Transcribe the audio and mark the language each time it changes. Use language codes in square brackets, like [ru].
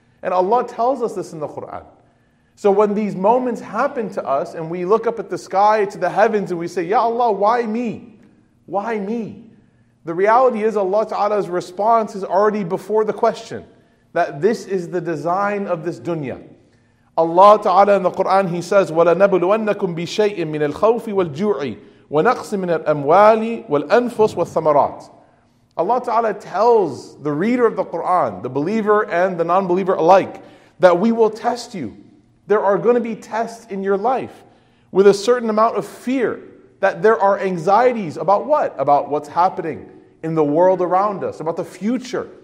[en] And Allah tells us this in the Quran. So when these moments happen to us and we look up at the sky, to the heavens, and we say, Ya Allah, why me? Why me? The reality is Allah Ta'ala's response is already before the question. That this is the design of this dunya. Allah Ta'ala in the Quran, He says, [ar] وَلَنَبْلُوَنَّكُمْ بِشَيْءٍ مِنَ الْخَوْفِ وَالْجُوعِ وَنَقْصٍ مِنَ الْأَمْوَالِ وَالْأَنْفُسِ وَالثَّمَرَاتِ. [en] Allah Ta'ala tells the reader of the Quran, the believer and the non-believer alike, that we will test you there are going to be tests in your life with a certain amount of fear, that there are anxieties about what? About what's happening in the world around us, about the future.